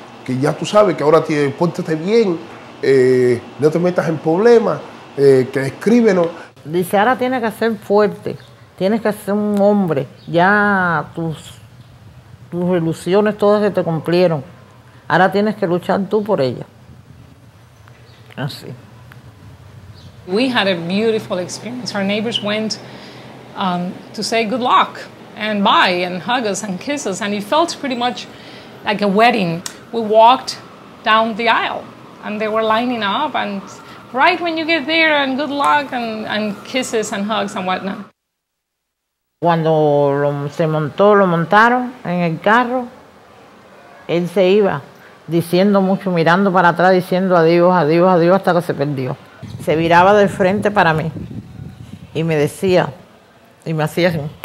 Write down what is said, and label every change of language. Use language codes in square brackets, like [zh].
[es] Que ya tú sabes que ahora pórtate bien, no te metas en problemas, que escríbenos. Dice, ahora tienes que ser fuerte, tienes que ser un hombre, ya tus ilusiones todas se te cumplieron, ahora tienes que luchar tú por ellas. Así. [en] We had a beautiful experience. Our neighbors went to say good luck and bye and hug us and kiss us, and it felt pretty much like a wedding. We walked down the aisle and they were lining up, and right when you get there and good luck and kisses and hugs and whatnot. [es] Cuando se montó, lo montaron en el carro, él se iba diciendo mucho, mirando para atrás, diciendo adiós, adiós, adiós, hasta que se perdió. Se viraba de frente para mí y me decía, y me hacía así.